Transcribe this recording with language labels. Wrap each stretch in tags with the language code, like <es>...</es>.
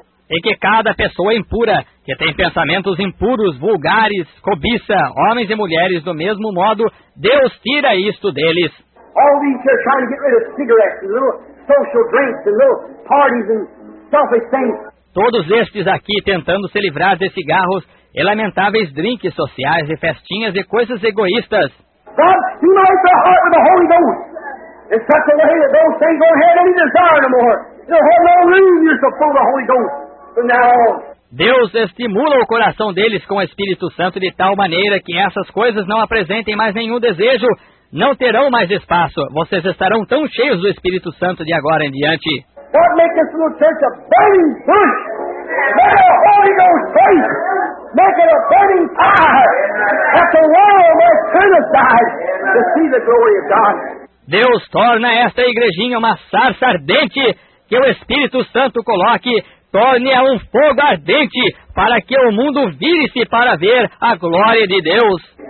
<pt>E que cada pessoa impura, que tem pensamentos impuros, vulgares, cobiça, homens e mulheres do mesmo modo, Deus tira isto deles.</pt> <en>All these are trying to get rid of cigarettes and little social drinks and little parties and selfish things.</en> <pt>Todos estes aqui tentando se livrar de cigarros e lamentáveis drinks sociais e festinhas e coisas egoístas.</pt> <en>God smites their heart with the Holy Ghost in such a way that those things don't have any desire no more. You have no room, you're so full of the Holy Ghost.</en> <pt>Deus estimula o coração deles com o Espírito Santo de tal maneira que essas coisas não apresentem mais nenhum desejo. Não terão mais espaço. Vocês estarão tão cheios do Espírito Santo de agora em diante.</pt> <en>God make this little church a burning bush. Let the Holy Ghost face. Make it a burning fire. That the world must turn aside to see the glory of God.</en> <pt>Deus torna esta igrejinha uma sarça ardente que o Espírito Santo coloque. Torne-a um fogo ardente para que o mundo vire-se para ver a glória de Deus.</pt>